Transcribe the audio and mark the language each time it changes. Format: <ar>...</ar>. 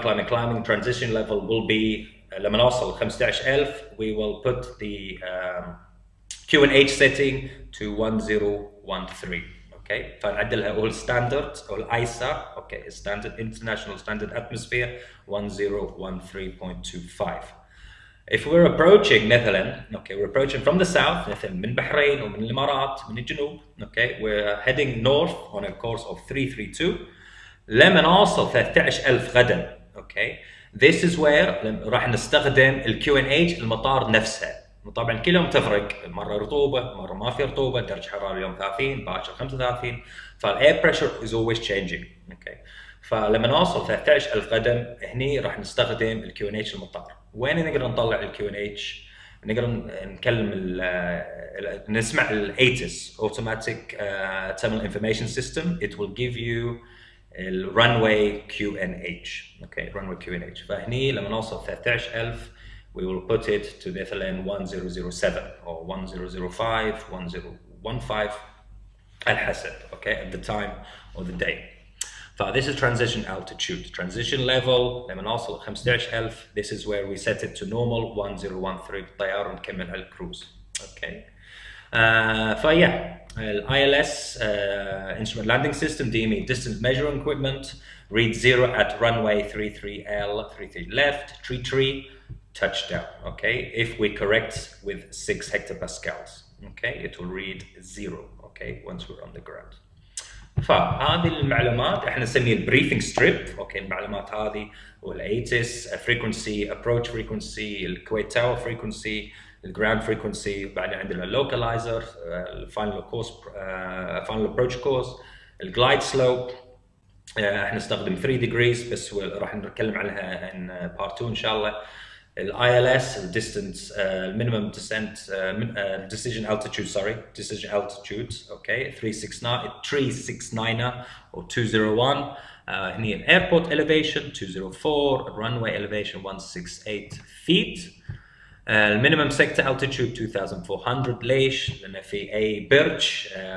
<en>climbing transition level will be</en> <ar>لما نوصل</ar> <en>15000 we will put the QNH setting to 1013 Okay,</en> <ar>فنعدلها</ar> <en>all standard all ISA okay standard international standard atmosphere 1013.25. If we're approaching Netherlands, okay, we're approaching from the south, Netherlands,</en> <ar>من بحرين ومن الإمارات من الجنوب,</ar> <en>okay, we're heading north on a course of 332.</en> <ar>لما نوصل 13000 غدا, okay,</ar> <en>this is where</en> <ar>راح نستخدم ال QNH المطار نفسه. وطبعا كلهم تفرق مره رطوبه مره ما في رطوبه درجه حراره اليوم 30 باكر 35</ar> <en>فالاير pressure is always changing okay</en> <ar>فلما نوصل 13000 قدم هني راح نستخدم الكيو ان اتش المطار وين نقدر نطلع الكيو ان اتش نقدر نكلم</ar> <en>نسمع الايتس اوتوماتيك تيرمينال انفورميشن سيستم ات ويل جيف يو الران واي كيو ان اتش اوكي ران واي كيو ان اتش فهني لما نوصل 13000 We will put it to the FLN 1007 or 1005, 1015, الحسب, okay, at the time or the day. So this is transition altitude. Transition level,</en> <ar>لما نوصل</ar> <en>15000, this is where we set it to normal 1013,</en> <ar>طيار نكمل على الكروز.</ar> <en>Okay. Yeah, ILS, instrument landing system, DME, distance measuring equipment, read zero at runway 33L, 33 left, tree tree. Touchdown, okay, if we correct with 6 hectopascals, okay, it will read zero, okay, once we're on the ground.</en> <ar>فهذه المعلومات احنا نسميها البريفنج ستريب، اوكي المعلومات هذه والايتس فريكونسي ابروتش فريكونسي الكويت تاور فريكونسي الجراوند فريكونسي بعدين عندنا اللوكلايزر الفاينل كورس فاينل ابروتش كورس الجلايد سلوب احنا نستخدم 3 degrees بس راح نتكلم عنها</ar> <en>in part 2</en> <ar>ان شاء الله</ar> <en>الـ ILS distance minimum descent decision altitude sorry decision altitude okay 369 or 201 هني الـ airport elevation 204 runway elevation 168 feet المينيمم sector altitude 2400</en> <ar>ليش؟ لان في اي برج</ar>